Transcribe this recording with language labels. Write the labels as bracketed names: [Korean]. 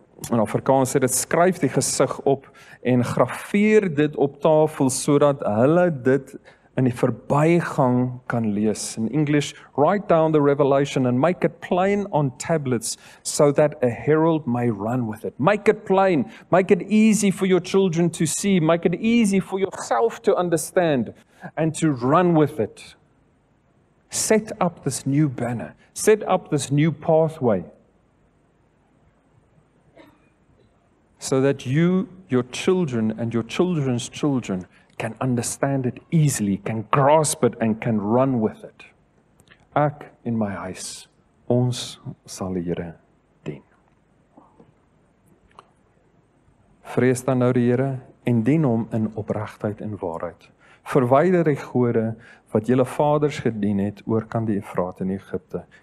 [Afrikaans] In Afrikaans sê dit skryf die gesig op en graveer dit op tafel sodat hulle dit in die verbygang kan lees. [English] In English, write down the revelation and make it plain on tablets so that a herald may run with it. Make it plain. Make it easy for your children to see. Make it easy for yourself to understand and to run with it. Set up this new banner. Set up this new pathway so that you, your children, and your children's children can understand it easily, can grasp it, and can run with it. [Afrikaans] Ek in my huis, ons sal die Here dien. Vrees dan nou die Here, en dien hom in opregtheid en waarheid. Verwyder die gode wat julle vaders gedien het, oor kan die Efraat in Egipte.